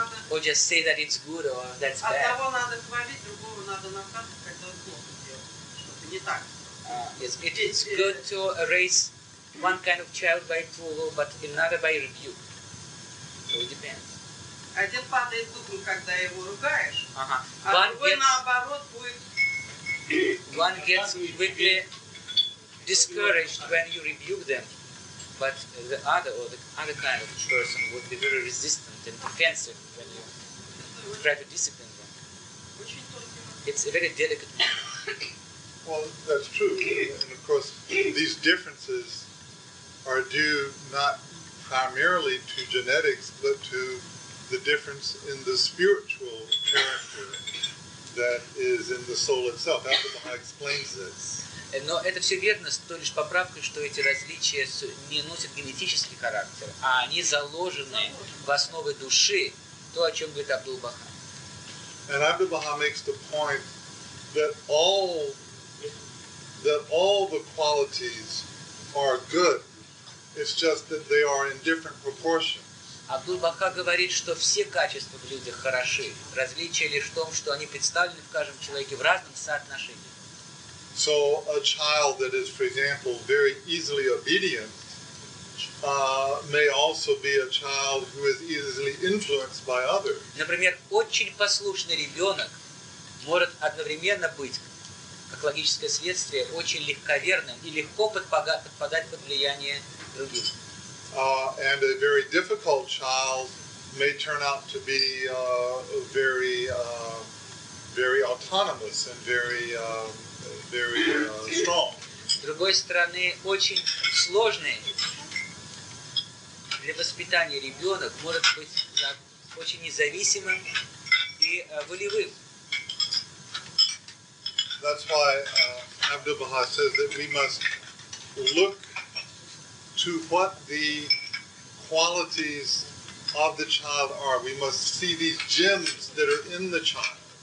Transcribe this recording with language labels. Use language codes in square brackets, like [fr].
[en] Or just say that it's good or that's [ru] одного [en] bad. [ru] Одного надо хвалить, другого надо наказывать, это плохо делать. Что-то не так. [en] Yes, it is good to raise one kind of child by approval, but another by rebuke. So it depends. [ru] Один падает духом, когда его ругаешь, а другой наоборот будет. [en] One gets quickly discouraged when you rebuke them, but the other kind of person would be very resistant and defensive when you try to discipline them. It's a very delicate matter. Well, that's true, and of course, these differences are due not primarily to genetics, but to the difference in the spiritual character that is in the soul itself. Abdu'l-Bahá explains this. [ru] Но это все верно с той лишь поправкой, что эти различия не носят генетический характер, а они заложены в основы души, то, о чем говорит Абдул-Бахá. [en] And Abdu'l-Bahá makes the point that all the qualities are good. It's just that they are in different proportions. [ru] Абдул-Бахá говорит, что все качества в людях хороши. Различие лишь в том, что они представлены в каждом человеке в разном соотношении. [en] So a child that is, for example, very easily obedient may also be a child who is easily influenced by others. [ru] Например, очень послушный ребенок может одновременно быть как логическое следствие, очень легковерным и легко подпадать под влияние других. [en] And a very difficult child may turn out to be very autonomous and very strong. [ru] С другой стороны, очень сложный для воспитания ребенок может быть очень независимым и волевым. [en] That's why Abdu'l-Bahá says that we must look to what the qualities of the child are. We must see these gems that are in the child.